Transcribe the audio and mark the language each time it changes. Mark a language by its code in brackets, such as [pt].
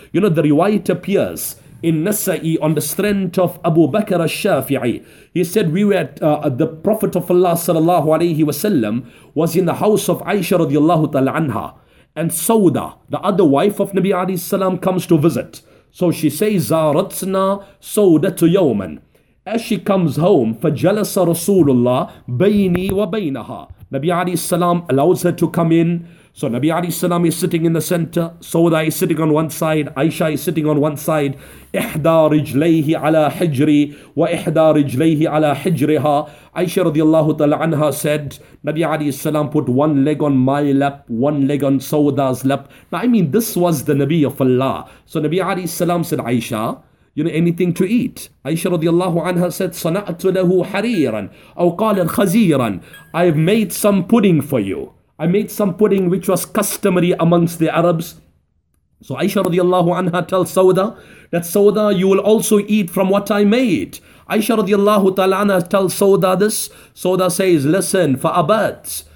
[en] You know, the riwayat appears in Nasa'i on the strength of Abu Bakr al-Shafi'i. He said, we were at the Prophet of Allah [ar] sallallahu alayhi wa sallam [en] was in the house of Aisha [ar] radiallahu ta'ala anha. [en] And Sauda, the other wife of Nabi [ar] alayhi salam, [en] comes to visit. So she says, [ar] Zaratna Saudatu Yawman. [en] As she comes home, [ar] فَجَلَسَ رَسُولُ اللَّهِ بَيْنِي وَبَيْنَهَا. [en] Nabi [ar] alayhi salam [en] allows her to come in. So Nabi alayhi salam is sitting in the center. Sauda is sitting on one side. Aisha is sitting on one side. [ar] إِحْدَى رِجْلَيْهِ عَلَى حِجْرِي وَإِحْدَى رِجْلَيْهِ عَلَى حِجْرِهَا. [en] Aisha [ar] radiallahu ta'ala anha [en] said, Nabi [ar] alayhi salam [en] put one leg on my lap, one leg on Sauda's lap. Now I mean, this was the Nabi of Allah. So Nabi [ar] alayhi salam [en] said, Aisha, you know, anything to eat. Aisha radiallahu anha said, [ar] صَنَعْتُ لَهُ حَرِيرًا أَوْ قَالَ الْخَزِيرًا. [en] I've made some pudding for you. I made some pudding which was customary amongst the Arabs. So Aisha [ar] radiallahu anha [en] tells Sauda that, Sauda, you will also eat from what I made. Aisha [ar] radiallahu ta'ala anha [en] tells Sauda this. Sauda says, listen, [ar] فَأَبَدْ.